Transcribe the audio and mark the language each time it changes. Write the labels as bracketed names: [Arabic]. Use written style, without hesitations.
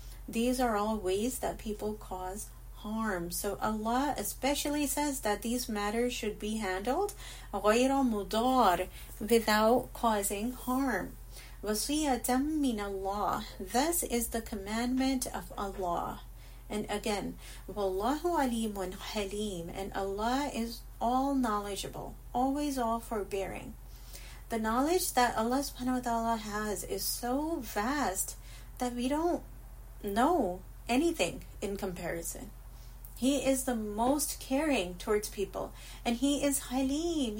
[English] These are all ways that people cause harm. So Allah especially says that these matters should be handled [Arabic] غير مدار, [English] without causing harm. [Arabic] وَصِيَّةً مِّنَ اللَّهِ. [English] Thus is the commandment of Allah. And again, [Arabic] وَاللَّهُ عَلِيمٌ حَلِيمٌ. [English] And Allah is all knowledgeable, always all forbearing. The knowledge that Allah subhanahu wa ta'ala has is so vast that we don't know anything in comparison. He is the most caring towards people, and He is Haleem.